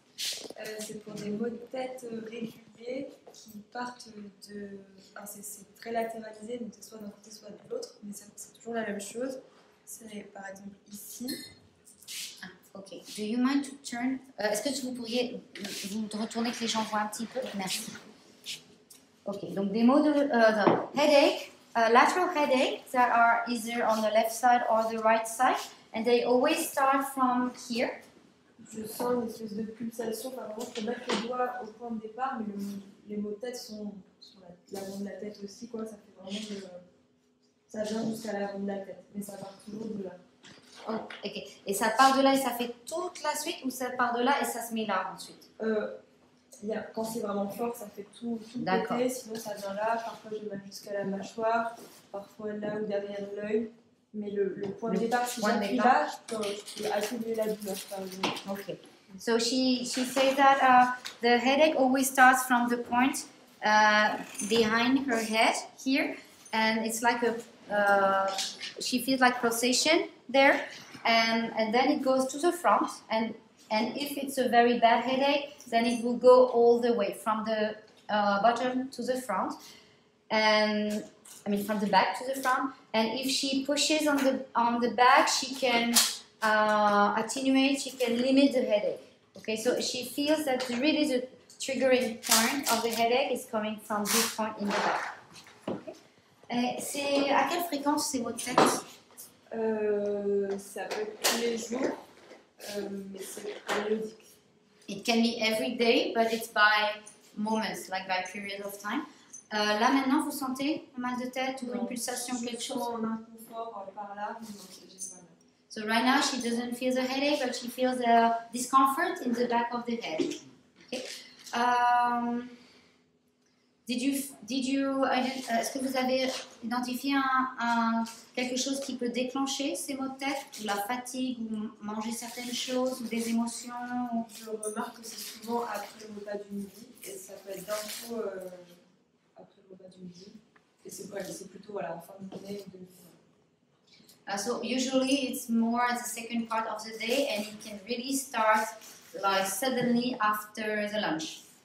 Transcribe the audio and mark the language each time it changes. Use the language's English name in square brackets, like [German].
[French] C'est pour des maux de tête réguliers qui partent de... Enfin, c'est très latéralisé, donc soit d'un côté, soit de l'autre, mais c'est toujours la même chose. C'est par exemple ici. [English] Ah, ok. Do you mind to turn? [French] Est-ce que vous pourriez vous retourner que les gens voient un petit peu? Merci. Ok, donc des maux de... [English] lateral headache that are either on the left side or the right side, and they always start from here. [French] Je sens une espèce de pulsation, par exemple, je peux mettre les doigts au point de départ, mais les maux de tête sont sur l'avant de la tête aussi, quoi. Ça fait vraiment de, ça vient jusqu'à l'avant de la tête, mais ça part toujours de là. Oh, ok. Et ça part de là et ça fait toute la suite, ou ça part de là et ça se met là ensuite? Quand c'est vraiment fort, ça fait tout le côté, sinon ça vient là, parfois je mets jusqu'à la mâchoire, parfois là ou derrière l'œil. Mais le point de départ, si j'appuie là, je peux accumuler la douleur, par exemple. Ok. [English] So she says that the headache always starts from the point behind her head, here, and it's like a, she feels like pulsation there, and then it goes to the front, and if it's a very bad headache, then it will go all the way from the bottom to the front, and I mean from the back to the front. And if she pushes on the back, she can attenuate, she can limit the headache. Okay, so she feels that really the triggering point of the headache is coming from this point in the back. [French] Okay. C'est à quelle fréquence c'est votre tête? Ça peut être tous les jours. [English] It can be every day, but it's by moments, like by period of time. [French] Là maintenant, vous sentez un mal de tête ou une pulsation, quelque chose? Un inconfort par là. [English] So right now, she doesn't feel the headache, but she feels a discomfort in the back of the head. Okay. [French] Est-ce que vous avez identifié quelque chose qui peut déclencher ces maux de tête, ou la fatigue, ou manger certaines choses, ou des émotions? Je remarque que c'est souvent après le repas du midi, et ça peut être d'un coup après le repas du midi. Et c'est quoi? C'est plutôt voilà, en fin de journée ou demi-heure. [English] So usually it's more the second part of the day, and it can really start like suddenly after the lunch.